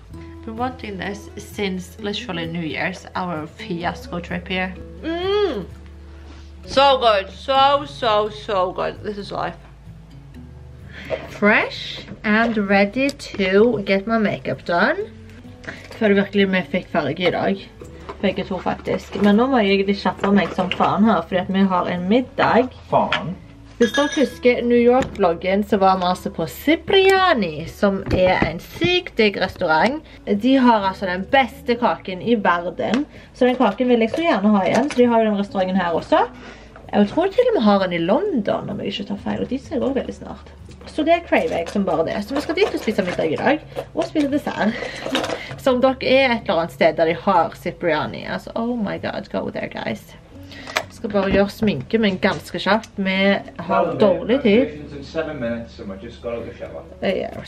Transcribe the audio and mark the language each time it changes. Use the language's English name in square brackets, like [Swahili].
[English] I've been wanting this since literally New Year's, our fiasco trip here. So good, so, so, so good. This is life. Fresh and ready to get my makeup done. [Norwegian] Føler virkelig vi fikk farge i dag. Begge to faktisk. Men nå må jeg egentlig kjappe meg som faen her, fordi at vi har en middag. Faen. Hvis dere husker New York-vloggen, så var vi altså på Cipriani, som er en sykt digg restaurant. De har altså den beste kaken i verden, så den kaken vil jeg så gjerne ha igjen, så de har jo den restauranten her også. Jeg tror til og med har den i London, om jeg ikke tar feil, og de ser også veldig snart. Så det er Craveg som bare det, så vi skal dit og spise middag i dag, og spise dessert. Så om dere er et eller annet sted der de har Cipriani, altså [English] oh my god, go there guys. [Norwegian] Jeg skal bare gjøre sminke, men ganske kjapt. Vi har dårlig tid. [English] Reservations in 7 minutes, and we just got out of the shower.